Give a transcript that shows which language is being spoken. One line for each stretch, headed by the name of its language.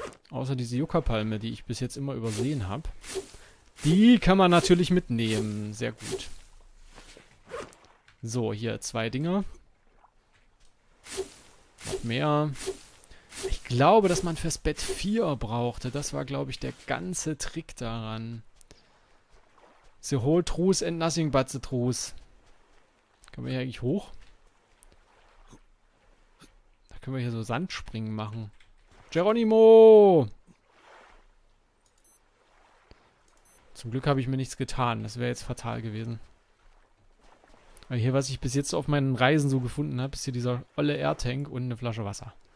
German: Außer diese Yucca-Palme, die ich bis jetzt immer übersehen habe. Die kann man natürlich mitnehmen. Sehr gut. So, hier zwei Dinger. Noch mehr. Ich glaube, dass man fürs Bett 4 brauchte. Das war, glaube ich, der ganze Trick daran.
English: The whole truth and nothing but the truth.
German: Können wir hier eigentlich hoch? Da können wir hier so Sandspringen machen. Geronimo! Zum Glück habe ich mir nichts getan. Das wäre jetzt fatal gewesen. Aber hier, was ich bis jetzt auf meinen Reisen so gefunden habe, ist hier dieser olle Airtank und eine Flasche Wasser.